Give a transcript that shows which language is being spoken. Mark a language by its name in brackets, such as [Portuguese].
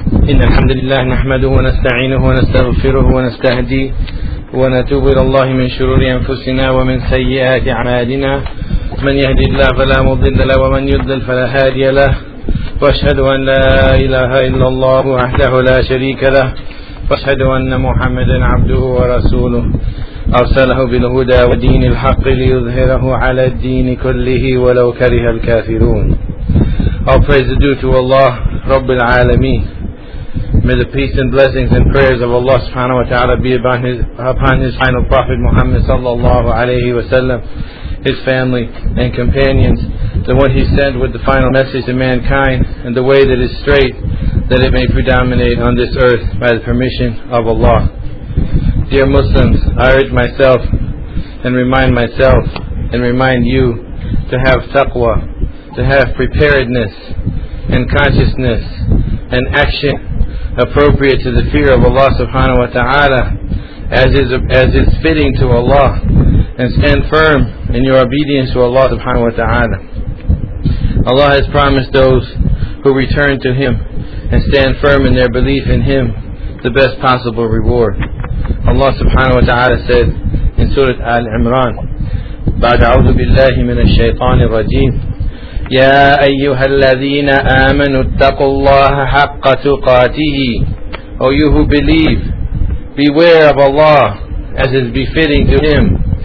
[Arabic] إن الحمد لله نحمده ونستعينه ونستغفره ونستهديه ونتوب إلى الله من شرور أنفسنا ومن سيئات أعمالنا، من يهدي الله فلا مضل له ومن يضلل فلا هادي له، وأشهد أن لا إله إلا الله وحده لا شريك له، وأشهد أن محمدا عبده ورسوله أرسله بالهدى ودين الحق ليظهره على الدين كله ولو كره الكافرون. [English] All praise is due to Allah, Rabbil Alameen. May the peace and blessings and prayers of Allah subhanahu wa ta'ala be upon his final Prophet Muhammad sallallahu alayhi wa sallam, his family and companions, the one he sent with the final message to mankind, and the way that is straight, that it may predominate on this earth by the permission of Allah. Dear Muslims, I urge myself and remind you to have taqwa, to have preparedness and consciousness and action appropriate to the fear of Allah subhanahu wa ta'ala, as is fitting to Allah, and stand firm in your obedience to Allah subhanahu wa ta'ala. Allah has promised those who return to Him and stand firm in their belief in Him the best possible reward. Allah subhanahu wa ta'ala said in Surah Al-Imran, [Arabic] بعد أعوذ بالله من الشيطان الرجيم يا أيها الذين آمنوا اتقوا الله حق تقاته. [English] O you who believe, beware of Allah as is befitting to Him.